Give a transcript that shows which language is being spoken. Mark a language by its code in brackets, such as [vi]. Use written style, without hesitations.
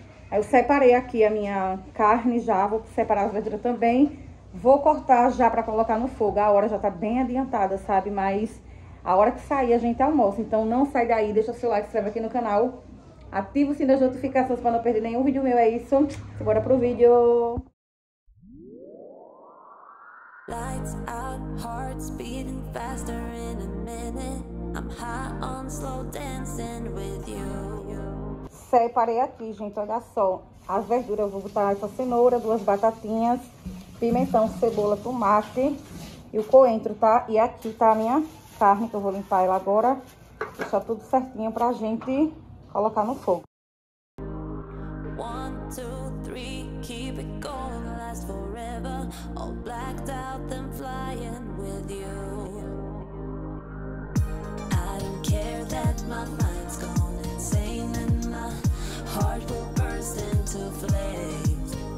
[pt] Aí eu separei aqui a minha carne já, vou separar as verduras também. Vou cortar já pra colocar no fogo. A hora já tá bem adiantada, sabe? Mas a hora que sair, a gente almoça. Então não sai daí, deixa o seu like, se inscreve aqui no canal. Ativa o sininho das notificações pra não perder nenhum vídeo meu, é isso. Bora pro vídeo! [en] Lights out, hearts beating faster in a minute. I'm high on slow dancing with you. [pt] Separei aqui, gente, olha só. As verduras, eu vou botar essa cenoura, duas batatinhas, pimentão, cebola, tomate e o coentro, tá? E aqui tá a minha carne, que eu vou limpar ela agora. Deixar tudo certinho pra gente colocar no fogo. [en] One, two, three, keep it going, last forever. All blacked out, then flying with you. I don't care that my mind's gone insane and my heart will burst into flames.